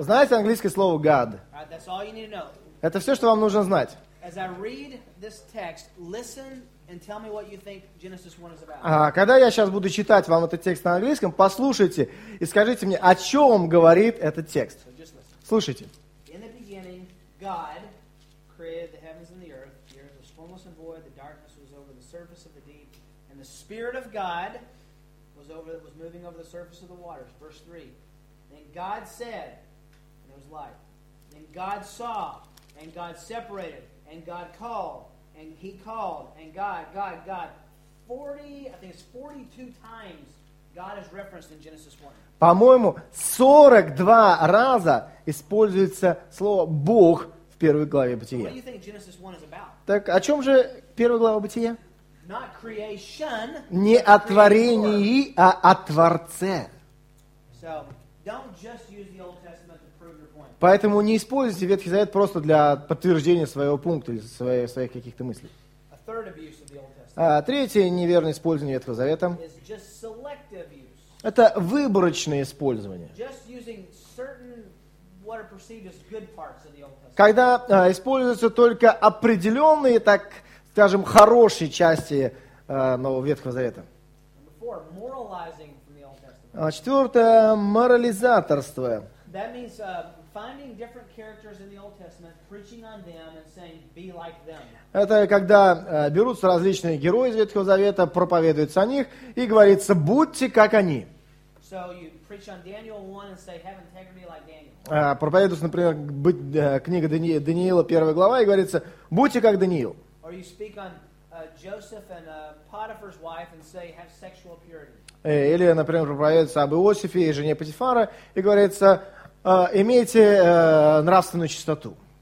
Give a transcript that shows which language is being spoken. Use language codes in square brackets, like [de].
[ru] Знаете английское слово God? [en] Right, that's all you need to know. [ru] Это все, что вам нужно знать. [en] As I read this text, listen and tell me what you think Genesis 1 is about. [ru] Когда я сейчас буду читать вам этот текст на английском, послушайте и скажите мне, о чем говорит этот текст. [en] So just listen. [ru] Слушайте. [en] In the beginning, God created the heavens and the earth. The earth was formless and void. The darkness was over the surface of the deep. And the Spirit of God was moving over the surface of the waters. Verse 3. Then God said, and it was light. Then God saw, and God separated, and God called, and he called, and God, 42 times God is referenced in Genesis 1. [ru] По-моему, 42 раза используется слово «Бог» в первой главе Бытия. [en] What do you think Genesis 1 is about? [ru] Так о чем же первая глава Бытия? [en] Not creation, [ru] не о творении, а о Творце. [en] So, don't just use the Old Testament to prove your point. [ru] Поэтому не используйте Ветхий Завет просто для подтверждения своего пункта или своих каких-то мыслей. [en] A third abuse of the Old Testament. [ru] Третье неверное использование Ветхого Завета [en] is just selective use. [ru] Это выборочное использование. [en] Just using certain what are perceived as good parts of the Old Testament. [ru] Когда используются только определенные, так скажем, хорошие части Нового Ветхого Завета. [en] Number four, moralizing from the Old Testament. [ru] Четвертое, морализаторство. [en] That means finding different characters in the Old Testament, preaching on them and saying, be like them. [ru] Это когда берутся различные герои из Ветхого Завета, проповедуются о них и говорится, будьте как они. [en] So you preach on Daniel 1 and say, have integrity like Daniel. [ru] Проповедуется, например, книга Даниила, первая глава, и говорится, будьте как Даниил. [en] Or you speak on Joseph and Potiphar's wife and say, have sexual purity. [ru] Или, например, проповедуется об Иосифе и жене Потифара, и говорится, имейте нравственную чистоту.